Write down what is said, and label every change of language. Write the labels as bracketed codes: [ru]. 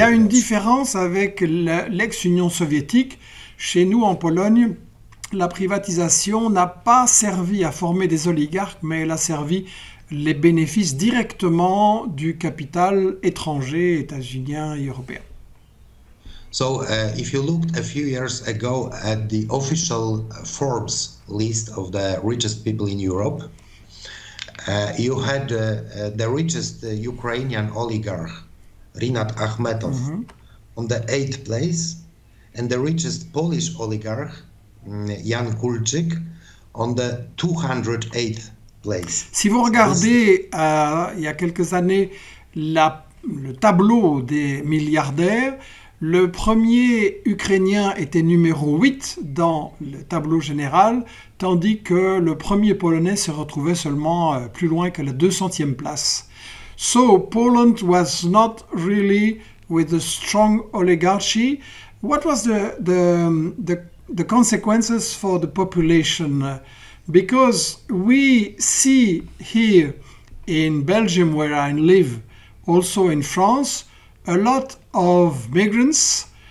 [fr] Il y a une différence avec l'ex-Union soviétique. Chez nous, en Pologne, la privatisation n'a pas servi à former des oligarques, mais elle a servi les bénéfices directement du capital étranger, états-unien et européen. [en] So, if you looked a few years ago at the official Forbes list of the richest people in Europe, you had the richest Ukrainian oligarch, Rinat Akhmetov, on the eighth place, and the richest Polish oligarch, Jan Kulczyk, on the 208th place. [fr] Si vous regardez il y a quelques années le tableau des milliardaires, le premier Ukrainien était numéro 8 dans le tableau général, tandis que le premier Polonais se retrouvait seulement plus loin que la 200e place. [en] So Poland was not really with a strong oligarchy. What was the consequences for the population? Because we see here in Belgium, where I live, also in France, a lot of migrants.